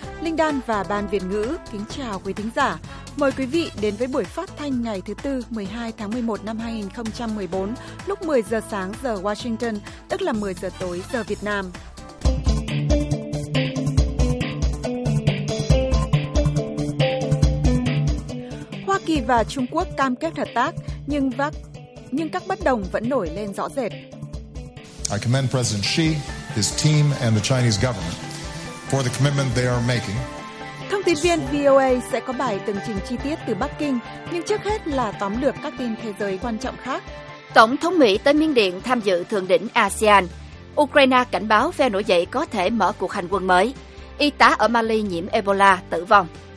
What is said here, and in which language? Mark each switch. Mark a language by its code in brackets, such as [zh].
[vi] Linh Đan và Ban Việt Ngữ kính chào quý thính giả. Mời quý vị đến với buổi phát thanh ngày thứ Tư 12 tháng 11 năm 2014 lúc 10 giờ sáng giờ Washington, tức là 10 giờ tối giờ Việt Nam. Hoa Kỳ và Trung Quốc cam kết hợp tác, nhưng các bất đồng vẫn nổi lên rõ rệt. [en] I commend President Xi, his team and the Chinese government for the commitment they are making. [vi] Thông tin viên VOA sẽ có bài tường trình chi tiết từ Bắc Kinh, nhưng trước hết là tóm lược các tin thế giới quan trọng khác. Tổng thống Mỹ tới Miến Điện tham dự thượng đỉnh ASEAN. Ukraine cảnh báo phe nổi dậy có thể mở cuộc hành quân mới. Y tá ở Mali nhiễm Ebola tử vong.